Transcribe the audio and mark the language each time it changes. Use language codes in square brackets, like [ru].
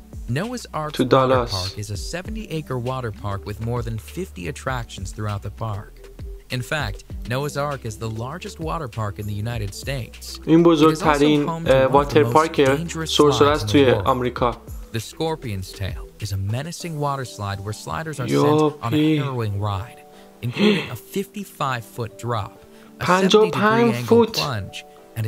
[en] Noah's Ark Water Park is a 70-acre water park with more than 50 attractions throughout the park. In fact, Noah's Ark is the largest water park in the United States. [fa] این بزرگترین واتر پارک سرسره است توی آمریکا. [en] The Scorpion's Tail is a menacing water slide where sliders are sent on a harrowing ride, including a 55-foot drop, a 70-degree plunge, and a